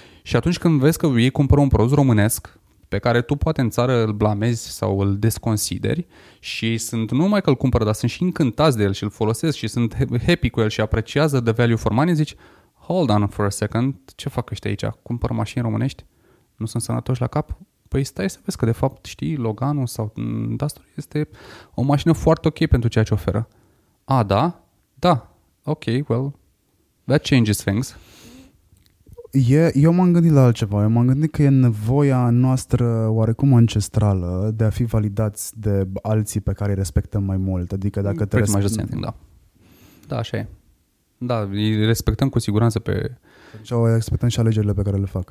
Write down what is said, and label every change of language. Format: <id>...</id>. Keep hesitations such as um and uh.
<ro>Și atunci când vezi că ei cumpără un produs românesc, pe care tu poate în țară îl blamezi sau îl desconsideri și sunt nu numai că îl cumpără, dar sunt și încântați de el și îl folosesc și sunt happy cu el și apreciază de value for money, zici,</ro> <en>hold on for a second,</en> <ro>ce fac ăștia aici? Cumpăr mașini românești? Nu sunt sănătoși la cap? Păi stai să vezi că de fapt știi, Loganul sau Duster este o mașină foarte ok pentru ceea ce oferă. A, da? Da.</ro> <en>Ok, well, that changes things.</en> <ro>E, eu m-am gândit la altceva. Eu m-am gândit că e nevoia noastră oarecum ancestrală de a fi validați de alții pe care îi respectăm mai mult. Adică dacă te respectăm... Da. da, așa e. Da, îi respectăm cu siguranță pe... Și o respectăm și alegerile pe care le fac.</ro>